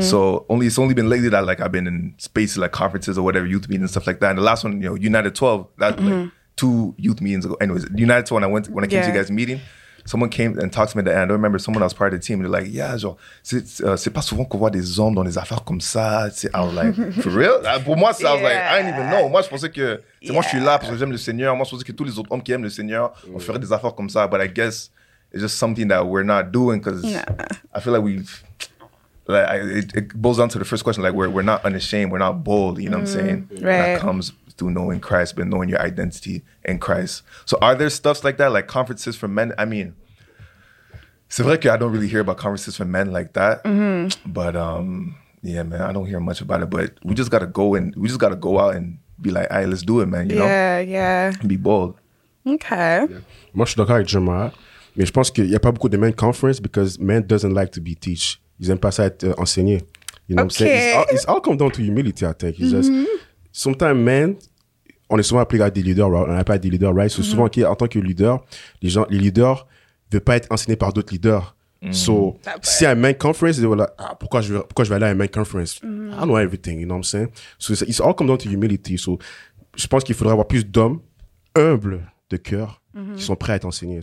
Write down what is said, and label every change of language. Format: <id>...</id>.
<en>So it's only been lately that, like, I've been in spaces, like, conferences or whatever, youth meetings and stuff like that. And the last one, you know, United 12, that like, two youth meetings ago. Anyways, United 12, when I came to you guys' meeting, someone came and talked to me at the end. I don't remember someone that was part of the team. They're like, yeah,</en> <fr>genre, c'est pas souvent qu'on voit des hommes dans des affaires comme ça.</fr> <en>I was like, for real?</en> <fr>Pour moi,</fr> <en>I was like, I didn't even know.</en> <fr>Moi, je pensais que, moi, je suis là parce que j'aime le Seigneur. Moi, je pensais que tous les autres hommes qui aiment le Seigneur, on ferait des affaires comme ça.</fr> <en>But I guess it's just something that we're not doing because I feel like it boils down to the first question. Like, we're not unashamed. We're not bold. You know what I'm saying? Right. That comes through knowing Christ, but knowing your identity in Christ. So are there stuffs like that, like conferences for men? I mean,</en> <fr>c'est vrai que</fr> <en>I don't really hear about conferences for men like that. Mm-hmm. But yeah, man, I don't hear much about it. But we just gotta go and we just gotta go out and be like, all right, let's do it, man. You know? Yeah, yeah. And be bold. Okay. Yeah.</en> <fr>Moi, je suis d'accord avec Jemma, mais je pense qu'il y a pas beaucoup de men conference</fr> <en>because men doesn't like to be teach.</en> <fr>Ils aiment pas ça être enseigné.</fr> <en>You know what I'm saying? It's all come down to humility, I think. It's just sometimes men,</en> <fr>on est souvent appelé à des leaders, on n'a pas des leaders, right? So souvent, okay, en tant que leader, les leaders ne veulent pas être enseignés par d'autres leaders. So, si un main conference, ils disent, like, ah, pourquoi je vais aller à un main conference?</fr> <en>I know everything, you know what I'm saying? So, it's all come down to humility.</en> <fr>So, je pense qu'il faudrait avoir plus d'hommes humbles de cœur qui sont prêts à être enseignés.</fr>